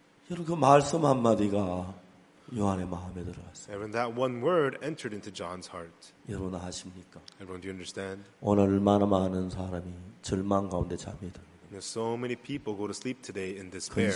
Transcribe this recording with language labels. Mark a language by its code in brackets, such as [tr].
[ko] 여러분 그 말씀 한마디가 요한의 마음에 들어갔어요. [en] Everyone, that one word entered into John's heart. [ko] 여러분 아십니까? [en] Everyone, do you understand? [ko] 오늘 얼마나 많은 사람이 절망 가운데 잠이 들어. [en] So many people go to sleep today in despair.